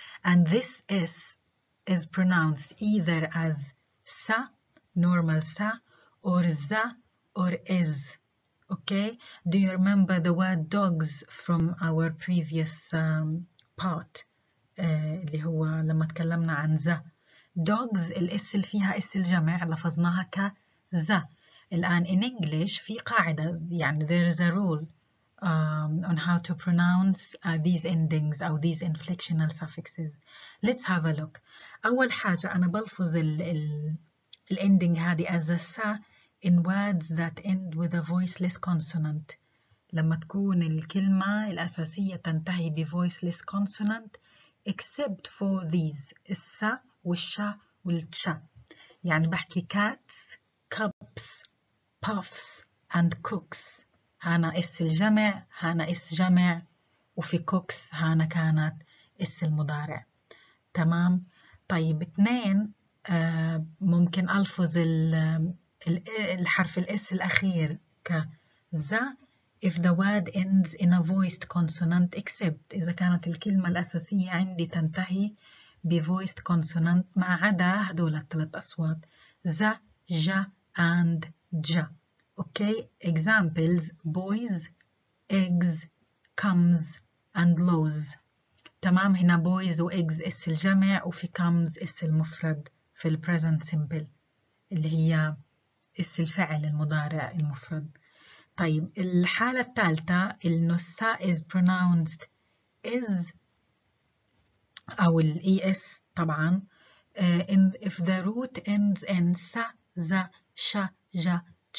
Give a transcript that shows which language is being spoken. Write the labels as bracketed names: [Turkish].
[English] And this s is pronounced either as sa, normal sa, or za, or is. Okay, do you remember the word dogs from our previous part? [Arabic] اللي هو لما تكلمنا عن ز. Dogs, الاس اللي فيها اس الجمع لفظناها كز. [English] الآن in English في قاعدة, يعني there is a rule on how to pronounce these endings or these inflectional suffixes. Let's have a look. [Arabic] أول حاجة أنا بلفظ الـ ending هذه as a س. [English] In words that end with a voiceless consonant. [Arabic] لما تكون الكلمة الأساسية تنتهي ب voiceless consonant except for these الس والش والتش. يعني بحكي cats, cups, puffs and cooks. هنا اس الجمع, هنا اس جمع, وفي cooks هنا كانت اس المضارع. تمام؟ طيب اثنين ممكن ألفظ الحرف الاس الاخير كزا if the word ends in a voiced consonant except اذا كانت الكلمة الاساسية عندي تنتهي ب voiced consonant ما عدا هدول الثلاث اصوات زا جا and جا. [English] Okay, examples boys, eggs, comes and lows. [Arabic] تمام, هنا boys و eggs اس الجمع وفي comes اس المفرد في present simple اللي هي اس الفعل المضارع المفرد. طيب الحالة الثالثة إنه السا is pronounced is أو الـ ES طبعا if the root ends in سا, زا, شا, جا, تا.